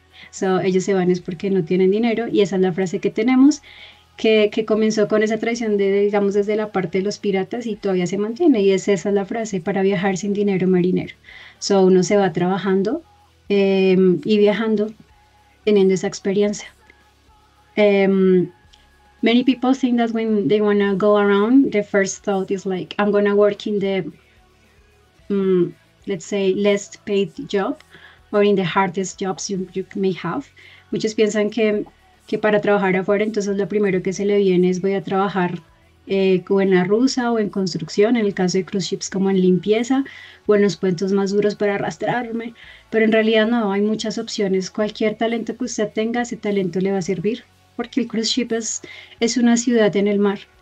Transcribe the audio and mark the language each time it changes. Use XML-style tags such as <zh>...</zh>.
<es>So, ellos se van es porque no tienen dinero, y esa es la frase que tenemos. Que comenzó con esa tradición de, digamos, desde la parte de los piratas y todavía se mantiene, y esa es la frase, para viajar sin dinero, marinero. So, uno se va trabajando y viajando, teniendo esa experiencia.</es> <en>Many people think that when they want to go around, the first thought is like, I'm going to work in the, let's say, least paid job, or in the hardest jobs you may have.</en> <es>Muchos piensan que para trabajar afuera, entonces lo primero que se le viene es voy a trabajar o en la rusa o en construcción, en el caso de cruise ships como en limpieza o en los puentes más duros para arrastrarme, pero en realidad no, hay muchas opciones. Cualquier talento que usted tenga, ese talento le va a servir, porque el cruise ship es una ciudad en el mar.</es>